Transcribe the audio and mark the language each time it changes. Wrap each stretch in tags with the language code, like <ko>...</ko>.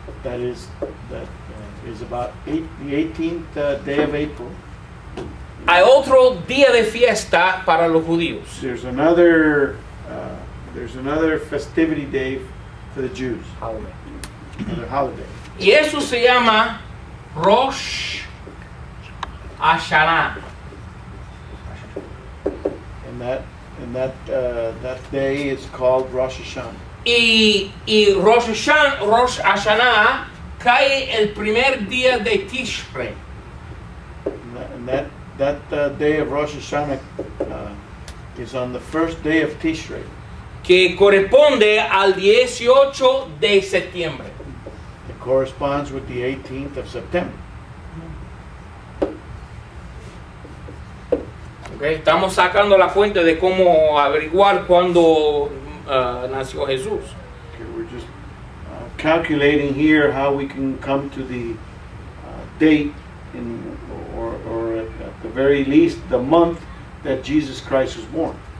<en>That is about the 18th day of April.</en> <es>Hay otro día de fiesta para los judíos.</es> <en>There's another festivity day for the Jews. Holiday. Another holiday.</en> <es>Y eso se llama Rosh Hashanah.</es> <en>And that day is called Rosh Hashanah.</en> <es>Y Rosh Hashanah cae el primer día de Tishrei.</es> <en>And that day of Rosh Hashanah is on the first day of Tishrei.</en> <es>Que corresponde al 18 de septiembre.</es> <en>Corresponds with the 18th of September.</en> <es>Okay, estamos sacando la fuente de cómo averiguar cuándo nació Jesús.</es> <en>Okay, we're just calculating here how we can come to the date in or at the very least the month that Jesus Christ was born.</en>